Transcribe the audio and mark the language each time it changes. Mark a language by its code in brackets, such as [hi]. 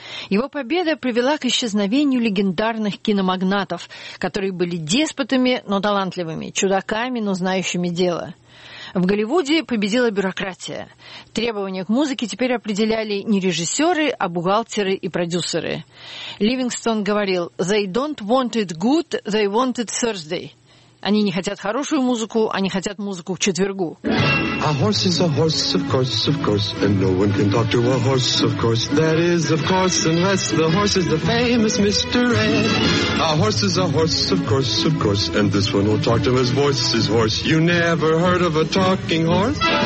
[ru] Его победа привела к исчезновению легендарных киномагнатов, которые были деспотами, но талантливыми, чудаками, но знающими дело. В Голливуде победила бюрократия. Требования к музыке теперь определяли не режиссеры, а бухгалтеры и продюсеры. Ливингстон говорил: [en] «They don't want it good, they want it Thursday». [ru] Они не хотят хорошую музыку, они хотят музыку к четвергу. [en] A horse is a horse, of course, of course. And no one can talk to a horse, of course. That is, of course, unless the horse is the famous Mr. Ed. A horse is a horse, of course, of course. And this one will talk to his voice, his horse. You never heard of a talking horse?